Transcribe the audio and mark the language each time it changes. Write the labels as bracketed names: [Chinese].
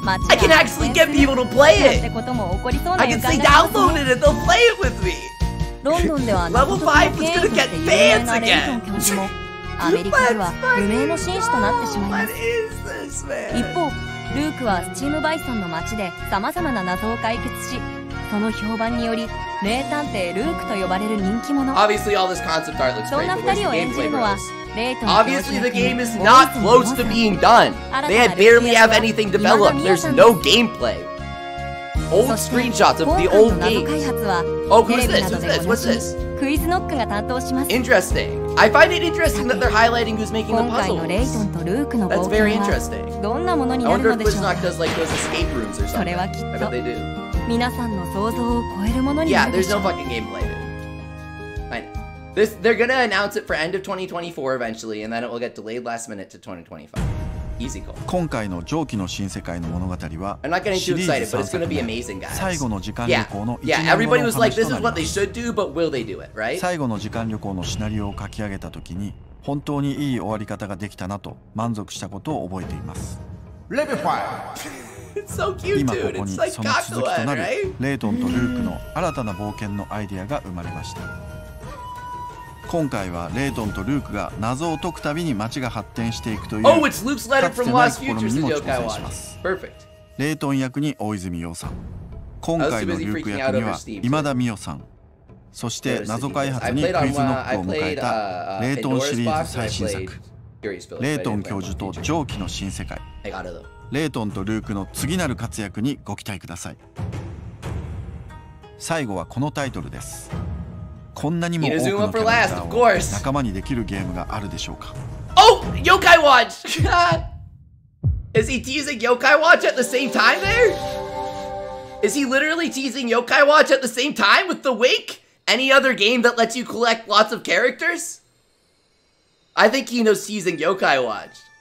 [English] I can actually get people to play it! I can say download it and they'll play it with me! Level 5 is gonna get fans again! [Japanese] アメリカでは無名の紳士となってしまいます。 [English] this, [Japanese] 一方ルークはスチームバイソンの街で様々な謎を解決しその評判により名探偵ルークと呼ばれる人気者。 [English] Obviously, all this concept art looks great, [Japanese] そんな2人を演じるのはレイトン。 [English] Obviously the game is not close to being done. They had barely have anything developed. There's no gameplay. Old screenshots of the old games. Oh, who's this? What's this? [Japanese] クイズノックが担当します。 [English] Interesting. I find it interesting that they're highlighting who's making the puzzles. [Japanese] 今回のレイトンとルークの冒険はどんなものになるのでしょうか。 [English] I wonder if Quiznock does like those escape rooms or something. [Japanese] それはきっと皆さんの想像を超えるものになるでしょう。 [English] Yeah, there's no fucking gameplay there. Fine. This, they're gonna announce it for end of 2024 eventually, and then it will get delayed last minute to 2025. Easy call. [Japanese] 今回の蒸気の新世界の物語は [English] I'm not getting too excited, but it's gonna be amazing, guys. [Japanese] 最後の時間旅行の一年後の試しとなります。 [English] Yeah, everybody was like, this is what they should do, but will they do it, right? [Japanese] 最後の時間旅行のシナリオを書き上げた時に本当にいい終わり方ができたなと満足したことを覚えています。 [English] LEVEL-5! It's so cute, dude. [Japanese] 今ここにその続きとなるレイトンとルークの新たな冒険のアイデアが生まれました。今回はレイトンとルークが謎を解くたびに街が発展していくというかつてない試みにも挑戦します。レイトン役に大泉洋さん、今回のルーク役には今田美桜さん、そして謎開発にクイズノックを迎えたレイトンシリーズ最新作レイトン教授と蒸気の新世界、レイトンとルークの次なる活躍にご期待ください。最後はこのタイトルです。こんなにも多くのキャラクターを仲間にできるゲームがあるでしょうか。 [English] Oh! Yokai Watch! Is he teasing Yokai Watch at the same time there? Is he literally teasing Yokai Watch at the same time with the wink? Any other game that lets you collect lots of characters? I think Hino's teasing Yokai Watch.